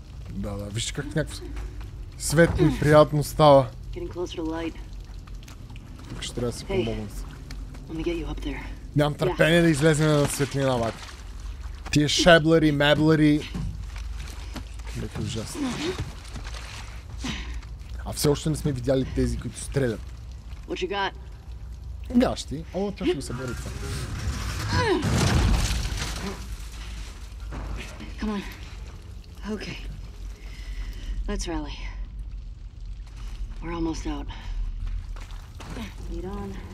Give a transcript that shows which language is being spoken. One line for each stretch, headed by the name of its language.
Bulgarian: Да, да, вижте как някакво светло и приятно става.
English: Getting closer to light.
Bulgarian: Тук ще трябва да си помогна.
English: Let me get you up there.
Bulgarian: Нямам търпение да излезем на светлина, бак. Тие шеблери, меблери. Бек ужасно. А все още не сме видяли тези, които стрелят. Гащи. О, тя ще го събори това.
English: Come on. Okay. Let's rally. We're almost out. Lead on.